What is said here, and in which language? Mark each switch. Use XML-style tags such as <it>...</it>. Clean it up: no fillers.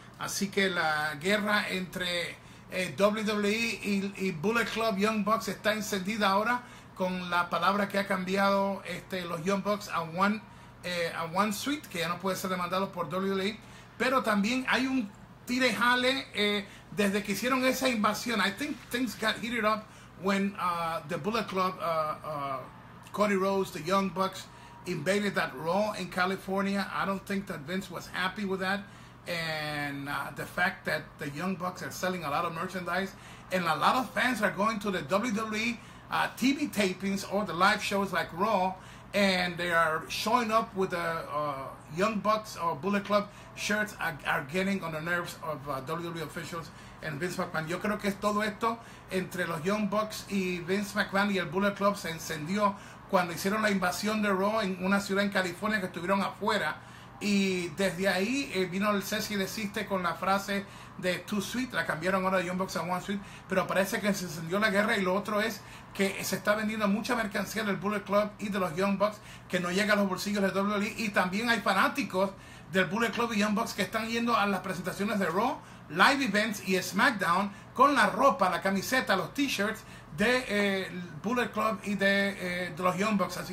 <es>Así que la guerra entre WWE y Bullet Club Young Bucks está encendida ahora con la palabra que ha cambiado los Young Bucks a one suite, que ya no puede ser demandado por WWE. Pero también hay un tire jale desde que hicieron esa invasión.</es> <en>I think things got heated up when the Bullet Club, Cody Rhodes, the Young Bucks invaded that Raw in California. I don't think that Vince was happy with that. And the fact that the Young Bucks are selling a lot of merchandise, and a lot of fans are going to the WWE TV tapings or the live shows like Raw, and they are showing up with the Young Bucks or Bullet Club shirts are getting on the nerves of WWE officials and Vince McMahon.</en> <es>Yo creo que todo esto entre los Young Bucks y Vince McMahon y el Bullet Club se encendió cuando hicieron la invasión de Raw en una ciudad en California que estuvieron afuera. Y desde ahí vino el cese y desiste con la frase de two suite, la cambiaron ahora de Young Bucks a one suite, pero parece que se encendió la guerra. Y lo otro es que se está vendiendo mucha mercancía del Bullet Club y de los Young Bucks que no llega a los bolsillos de WWE, y también hay fanáticos del Bullet Club y Young Bucks que están yendo a las presentaciones de Raw, Live Events y SmackDown con la ropa, la camiseta, los t-shirts de Bullet Club y de los Young Bucks.</es>